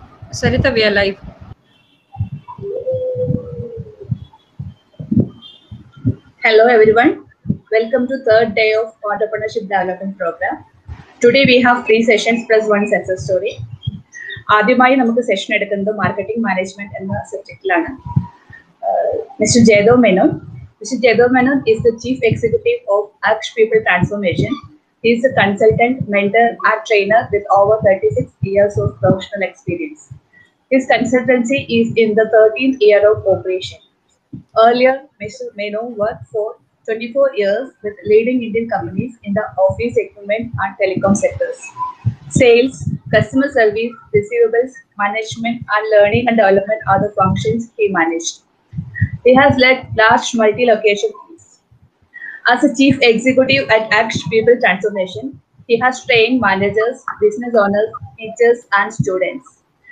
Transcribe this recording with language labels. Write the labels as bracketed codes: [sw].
[en] Sarita, we are live. Hello, everyone. Welcome to third day of Entrepreneurship Development Program. Today we have three sessions plus one success story. [ml] ആദ്യമായി നമുക്ക് session എടുക്കുന്നത് marketing management എന്ന സബ്ജക്റ്റിലാണ്. Mister Jayadev Menon. [en] Mister Jayadev Menon is the chief executive of Aksh people transformation. He is a consultant, mentor and trainer with over 36 years of professional experience. His consultancy is in the 13th year of operation. Earlier mister Menon work for 24 years with leading Indian companies in the office equipment and telecom sectors. Sales, customer service, receivables, management and learning and development are the functions he managed. He has led large multi-location teams. As a chief executive at ACT People Transformation, he has trained managers, business owners, teachers and students.